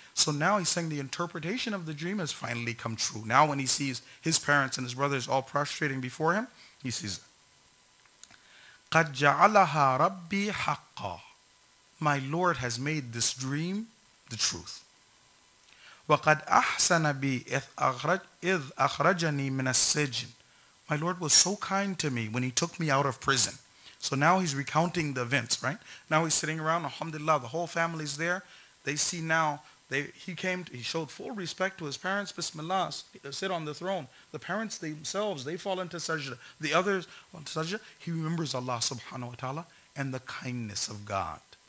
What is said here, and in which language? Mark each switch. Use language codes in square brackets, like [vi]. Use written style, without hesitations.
[en] So now he's saying the interpretation of the dream has finally come true. Now when he sees his parents and his brothers all prostrating before him, he sees it. [ar] قَدْ جَعَلَهَا رَبِّي حَقَّا. [en] My Lord has made this dream the truth. [ar] وَقَدْ أَحْسَنَ بِي إِذْ أَخْرَجَنِي مِنَ السِّجْنِ. [en] My Lord was so kind to me when he took me out of prison. So now he's recounting the events, right? Now he's sitting around, alhamdulillah, the whole family's there. They see now, he showed full respect to his parents, bismillah, sit on the throne. The parents themselves, they fall into sajda. The others, into sajda, he remembers Allah subhanahu wa ta'ala and the kindness of God.